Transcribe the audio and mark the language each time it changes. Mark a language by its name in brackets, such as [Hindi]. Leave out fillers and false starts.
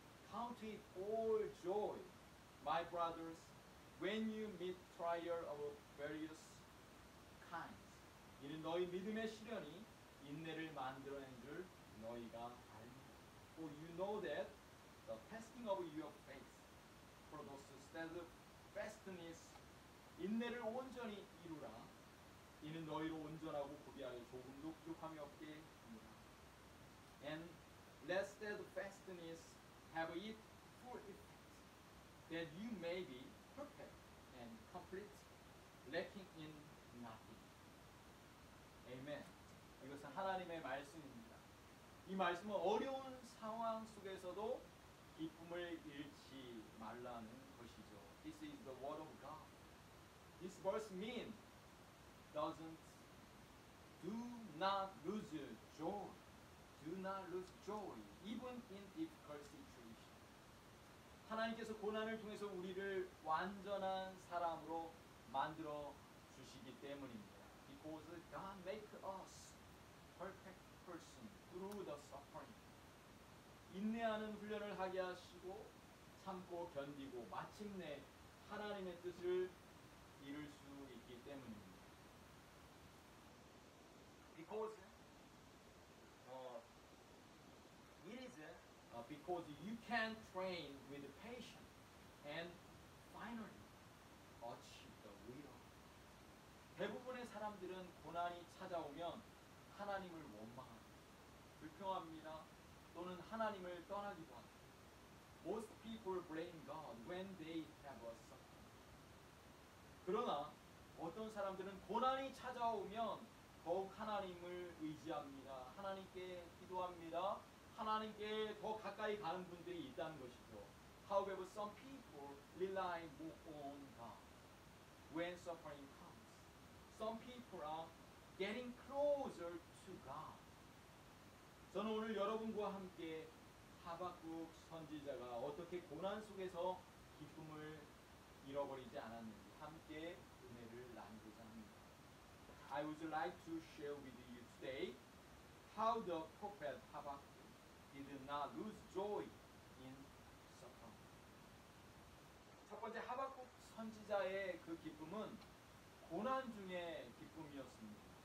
[English] Count it all joy, my brothers, when you meet trial of various kinds. [Korean] 이는 너희 믿음의 시련이 인내를 만들어낸 줄 너희가 알고. [English] For you know that the testing of your faith produces steadfastness. [Korean] 인내를 온전히 이루라. 이는 너희로 온전하고 고귀하여 조금도 부족함이 없게 합니다. [English] And let steadfastness have its full effect, that you may be perfect and complete, lacking in nothing. Amen. [Korean] 이것은 하나님의 말씀입니다. 이 말씀은 어려운 상황 속에서도 기쁨을 잃지 말라는 것이죠. [English] This is the word of God. This verse means doesn't do not lose joy. Do not lose joy even in difficult situation. [Korean] 하나님께서 고난을 통해서 우리를 완전한 사람으로 만들어 주시기 때문입니다. [English] Because God makes us perfect person through the suffering. [Korean] 인내하는 훈련을 하게 하시고 참고 견디고 마침내 하나님의 뜻을 이룰 수 있기 때문입니다. [English] Because it is because you can train with patience and finally achieve the will. [Korean] 대부분의 사람들은 고난이 찾아오면 하나님을 원망합니다. 불평합니다. 또는 하나님을 떠나기도 합니다. [English] Most people blame God when they have a suffering. [Korean] 그러나 어떤 사람들은 고난이 찾아오면 더욱 하나님을 의지합니다. 하나님께 기도합니다. 하나님께 더 가까이 가는 분들이 있다는 것이죠. [English] However, some people rely more on God when suffering comes. Some people are getting closer to God. [Korean] 저는 오늘 여러분과 함께 하박국 선지자가 어떻게 고난 속에서 기쁨을 잃어버리지 않았는지 함께 은혜를 나누고자 합니다. [English] I would like to share with you today how the prophet Habakkuk did not lose joy in suffering. [Korean] 첫 번째 하박국 선지자의 그 기쁨은 고난 중에 기쁨이었습니다.